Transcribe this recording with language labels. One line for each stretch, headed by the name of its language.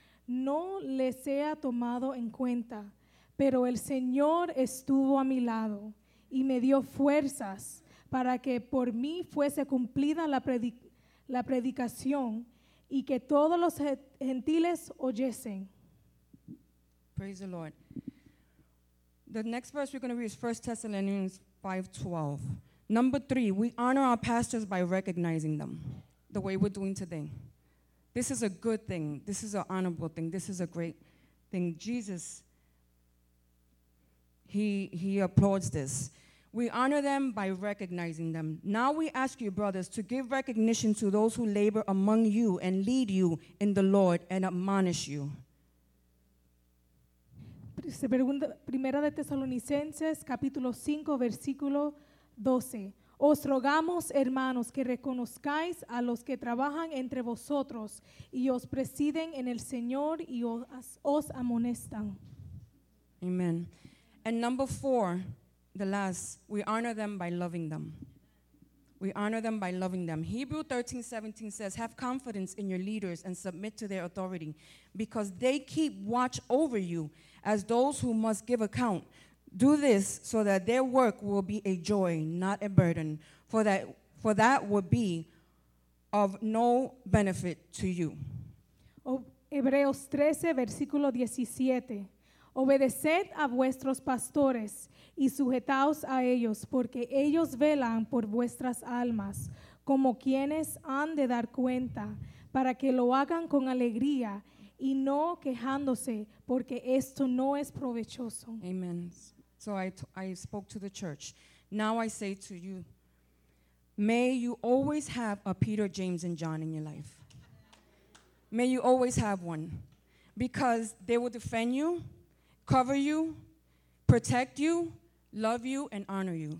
Spanish: No le sea tomado en cuenta, pero el Señor estuvo a mi lado y me dio fuerzas para que por mí fuese cumplida la predicación y que todos los gentiles oyesen.
English: Praise the Lord. The next verse we're going to read is 1 Thessalonians 5:12. Number 3, we honor our pastors by recognizing them the way we're doing today. This is a good thing. This is an honorable thing. This is a great thing. Jesus, he applauds this. We honor them by recognizing them. Now we ask you, brothers, to give recognition to those who labor among you and lead you in the Lord and admonish you.
Spanish: Primera de Tesalonicenses, capítulo 5, versículo 12. Os rogamos, hermanos, que reconozcáis a los que trabajan entre vosotros y os presiden en el Señor y os amonestan.
English: Amen. And number 4, the last, we honor them by loving them. We honor them by loving them. Hebrews 13:17 says, have confidence in your leaders and submit to their authority because they keep watch over you as those who must give account. Do this so that their work will be a joy, not a burden, for that would be of no benefit to you.
Spanish: Hebreos 13, versículo 17. Obedeced a vuestros pastores y sujetaos a ellos, porque ellos velan por vuestras almas, como quienes han de dar cuenta, para que lo hagan con alegría y no quejándose, porque esto no es provechoso.
English: Amen. So I spoke to the church. Now I say to you, may you always have a Peter, James, and John in your life. May you always have one, because they will defend you, cover you, protect you, love you, and honor you.